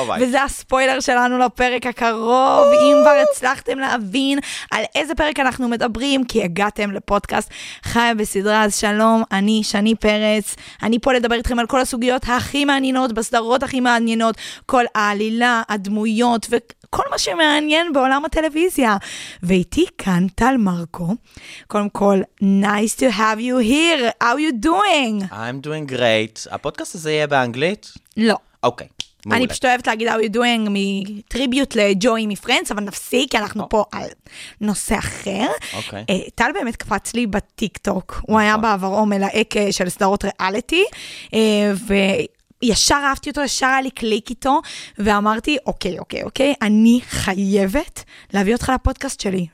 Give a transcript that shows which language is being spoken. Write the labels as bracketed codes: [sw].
[he] וזה הספוילר שלנו לפרק הקרוב. אם כבר הצלחתם להבין על איזה פרק אנחנו מדברים, כי הגעתם לפודקאסט חיה בסדרה, אז שלום, אני שני פרץ. אני פה לדבר איתכם על כל הסוגיות הכי מעניינות, בסדרות הכי מעניינות, כל העלילה, הדמויות, וכל מה שמעניין בעולם הטלוויזיה. ואיתי כאן טל מרקו. קודם כל, [en] nice to have you here. How you doing? I'm doing great. [he] הפודקאסט הזה יהיה באנגלית? לא. אוקיי. אני פשוט אוהבת להגיד [en] How you doing [he] מטריביוט לג'וי מפרנץ, אבל נפסיק, כי אנחנו פה על נושא אחר. אוקיי. טל באמת קפץ לי בטיק טוק. הוא היה בעברו מלהק של סדרות ריאליטי, וישר אהבתי אותו, ישר היה לי קליק איתו, ואמרתי, אוקיי, אוקיי, אוקיי, אני חייבת להביא אותך לפודקאסט שלי.